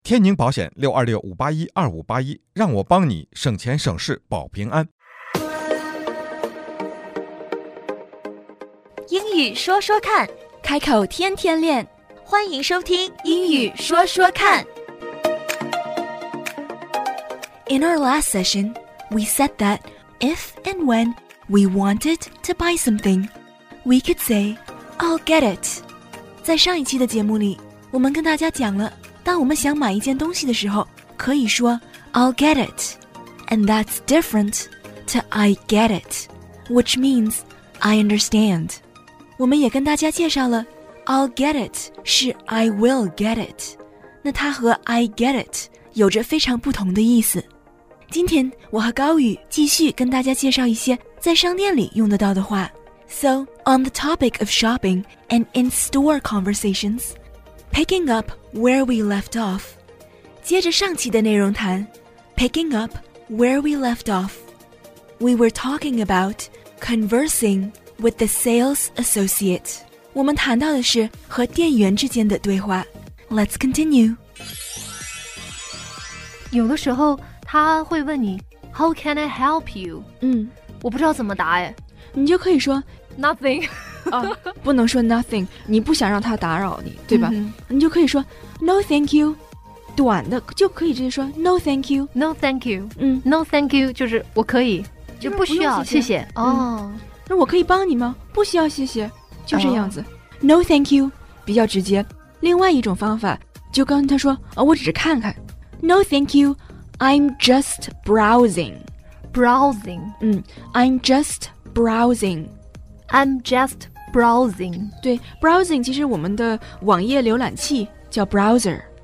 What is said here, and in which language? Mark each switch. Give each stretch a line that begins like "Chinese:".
Chinese: 天宁保险626-581-2581，让我帮你省钱省事保平安。英语说说看，开口天天练，欢迎收听英语说说看。
English: In our last session, we said that if and when we wanted to buy something, we could say, I'll get it.
Chinese: 在上一期的节目里，我们跟大家讲了，当我们想买一件东西的时候，可以说
English: I'll get it. And that's different to I get it, which means I understand.
Chinese: 我们也跟大家介绍了
English: I'll get it
Chinese: 是
English: I will get it.
Chinese: 那它和
English: I get it
Chinese: 有着非常不同的意思。今天我和高宇继续跟大家介绍一些在商店里用得到的话。
English: So, on the topic of shopping and in-store conversations,Picking up where we left off.
Chinese: 接着上期的内容谈
English: Picking up where we left off. We were talking about conversing with the sales associate.
Chinese: 我们谈到的是和店员之间的对话。
English: Let's continue.
Chinese: 有的时候他会问你
English: How can I help you?
Chinese: 我不知道怎么答耶。你就可以说
English: Nothing.
Chinese: 不能说
English: nothing，
Chinese: 你不想让他打扰你，对吧？你就可以说
English: no thank you，
Chinese: 短的就可以直接说 no thank you，
English: no thank you， no thank you
Chinese: 就是我可以，就不需要，谢谢哦。那我可以帮你吗？不需要，谢谢，就这样子。
English: No thank you
Chinese: 比较直接。另外一种方法，就跟他说啊，我只是看看。
English: No thank you， I'm just browsing， browsing， I'm just browsing。 I'm just browsing.
Chinese: 对 ,browsing 其实我们的网页浏览器叫 browser.